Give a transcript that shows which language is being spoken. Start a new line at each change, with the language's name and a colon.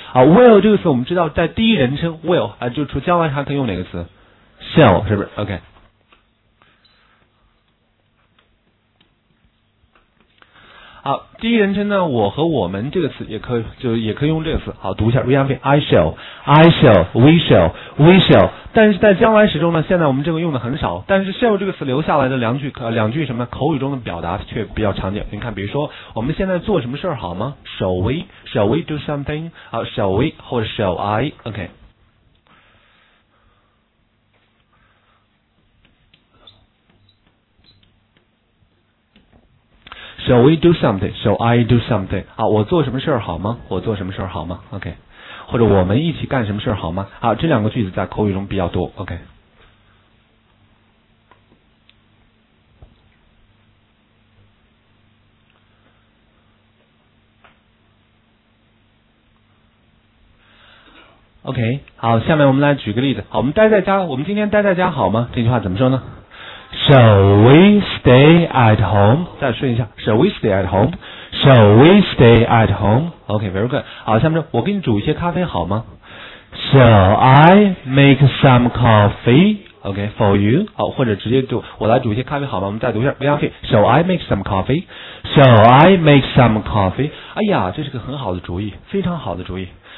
Chinese: 啊 ，will 这个词我们知道在第一人称 will 啊，就除将来还可以用哪个词 ？shall 是不是 ？OK。好，第一人称呢，我和我们这个词也可以，就也可以用这个词。
English: 好，读一下 ，I shall，we shall。
Chinese: 但是在将来时中呢，现在我们这个用的很少。但是 shall 这个词留下来的两句什么口语中的表达却比较常见。你看，比如说我们现在做什么事儿好吗 ？
English: Shall we do something？啊 ，shall we 或者 shall I？OK、okay.。 Shall we do something? Shall I do something?
Chinese: 啊，我做什么事儿好吗？我做什么事儿好吗 ？OK， 或者我们一起干什么事儿好吗？啊，这两个句子在口语中比较多。 OK， 好，下面我们来举个例子。好，我们今天待在家好吗？这句话怎么说呢？
English: Shall we stay at home? 再顺一下 ，Shall we stay at home? Shall we stay at home? OK, very good.
Chinese: 好，下面我给你煮一些咖啡好吗 ？
English: Shall I make some coffee? OK, for you.
Chinese: 好，或者直接就我来煮一些咖啡好吗？我们再读一下 ，Viafi.
English: Shall I make some coffee? Shall I make some coffee?
Chinese: 哎呀，这是个很好的主意，非常好的主意。